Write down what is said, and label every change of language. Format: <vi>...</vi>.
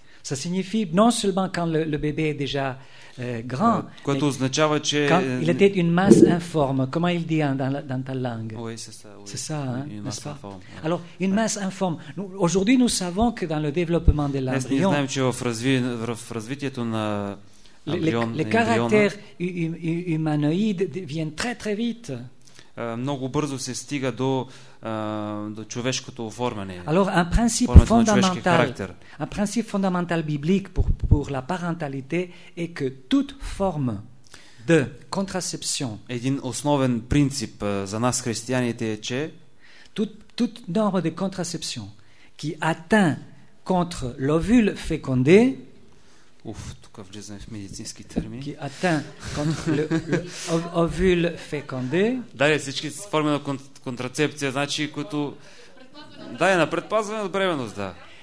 <fr>Ça signifie non seulement quand le bébé est déjà grand,</fr> <bg>което означава, че</bg> <fr>quand il était une masse informe, comment il dit dans ta langue? Oui, c'est ça. Oui. C'est ça, hein, une masse informe. Ouais. Alors, une masse informe. Nous, aujourd'hui, nous savons que dans le développement de l'embryon,</fr> <bg>знаем, че в развитието на ембрион,</bg> <fr>les caractères humanoïdes viennent très très vite.</fr> <bg>Много бързо се стига до човешкото оформяне.</bg> <fr>Alors, un principe fondamental biblique pour la parentalité est que toute forme de contraception.</fr> <bg>Един основен принцип за нас християните е, че</bg> <fr>toute norme de contraception qui atteint contre l'ovule fécondé.</fr> <bg>Ouf, тук влизаме в медицински термини.</bg> <fr>Qui atteint contre l'ovule fécondé.</fr> <bg>Далее всички форми на контрацепция, значи, които... Да, е на предпазване от бременност, да.</bg>